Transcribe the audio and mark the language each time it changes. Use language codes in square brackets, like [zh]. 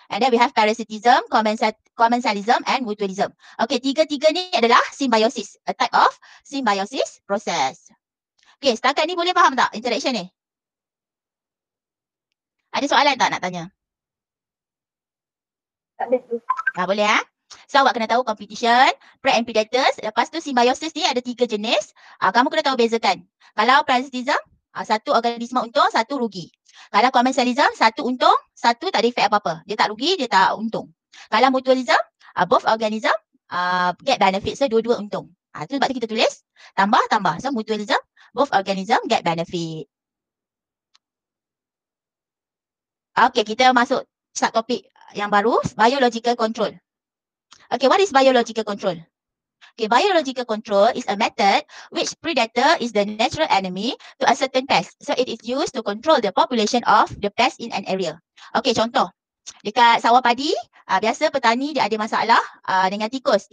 [en] And then we have parasitism, commensalism and mutualism. [ms] Okay, tiga-tiga ni adalah symbiosis. [en] A type of symbiosis process. [ms] Okay, setakat ni boleh faham tak interaction ni? Ada soalan tak nak tanya? Tak boleh. Tak boleh. So awak kena tahu competition, prey and predators. Lepas tu symbiosis ni ada tiga jenis. Kamu kena tahu bezakan. Kalau parasitism, satu organisma untung, satu rugi. Kalau commensalism, satu untung, satu tak ada efek apa-apa. Dia tak rugi, dia tak untung. Kalau mutualism, [en] both organism get benefit. [ms] So dua-dua untung. Itu sebab tu kita tulis tambah-tambah. So mutualism, [en] both organism get benefit. [ms] Okay, kita masuk sub topik yang baru, biological control. [en] Okay, what is biological control? Okay, biological control is a method which predator is the natural enemy to a certain pest. So, it is used to control the population of the pest in an area. [ms] Okay, contoh. Dekat sawah padi, biasa petani dia ada masalah dengan tikus.